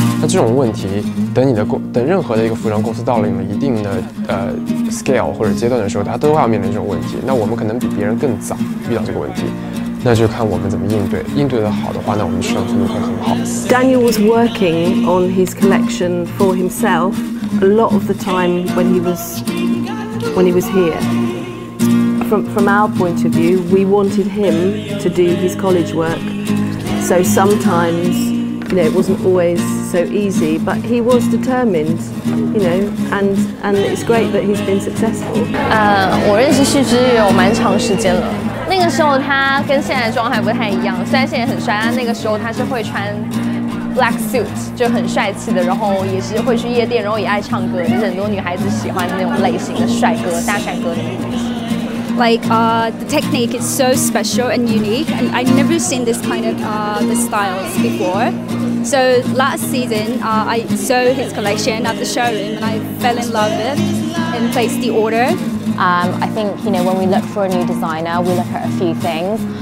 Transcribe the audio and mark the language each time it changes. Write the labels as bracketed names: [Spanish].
[Chinese] 那这种问题，等任何的一个服装公司到了你们一定的scale 或者阶段的时候，它都要面临这种问题。那我们可能比别人更早遇到这个问题。那就看我们怎么应对，应对得好的话，那我们的生存就会很好。 [English] Daniel was working on his collection for himself a lot of the time when he was here. From our point of view, we wanted him to do his college work. So sometimes, you know, it wasn't always so easy, but he was determined, you know, and it's great that he's been successful. [Chinese] 我认识旭之有蛮长时间了。那个时候他跟现在的状态不太一样，虽然现在很帅，但那个时候他是会穿 [English] black suit [Chinese] 就很帅气的，然后也是会去夜店，然后也爱唱歌，就是很多女孩子喜欢的那种类型的帅哥，大帅哥的那种类型。 [English] Like the technique is so special and unique, and I've never seen this kind of the styles before. So last season, I saw his collection at the showroom, and I fell in love with it and placed the order. I think, you know, when we look for a new designer, we look at a few things.